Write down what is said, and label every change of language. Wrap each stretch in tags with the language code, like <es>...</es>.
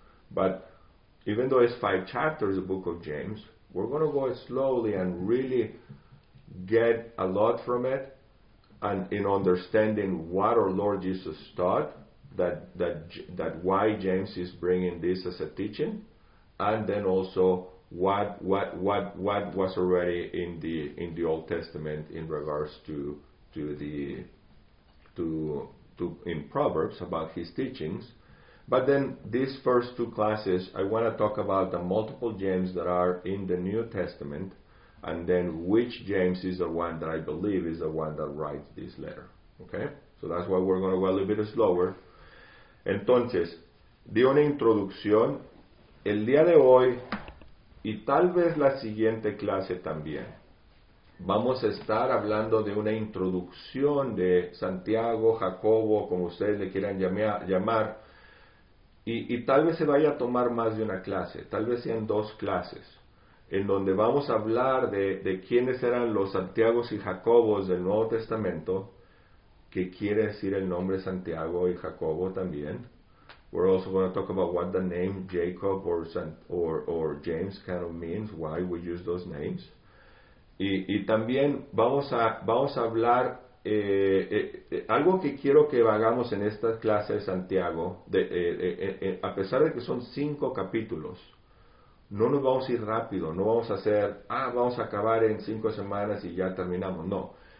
<en>But even though it's five chapters, the book of James, we're going to go slowly and really get a lot from it and in understanding what our Lord Jesus taught, that why James is bringing this as a teaching, and then also what was already in the Old Testament in regards to in Proverbs about his teachings. But then these first two classes, I want to talk about the multiple James that are in the New Testament, and then which James is the one that I believe is the one that writes this letter. Okay, so that's why we're going to go a little bit slower.</en> <es>Entonces, de una introducción, el día de hoy y tal vez la siguiente clase también, vamos a estar hablando de una introducción de Santiago, Jacobo, como ustedes le quieran llamar, y tal vez se vaya a tomar más de una clase, tal vez sean dos clases, en donde vamos a hablar de quiénes eran los Santiagos y Jacobos del Nuevo Testamento, que quiere decir el nombre Santiago y Jacobo también.</es> <en>We're also going to talk about what the name Jacob or James kind of means, why we use those names.</en> <es>Y también vamos a hablar, algo que quiero que hagamos en esta clase de Santiago, a pesar de que son cinco capítulos, no nos vamos a ir rápido, no vamos a hacer, vamos a acabar en cinco semanas y ya terminamos, no.</es>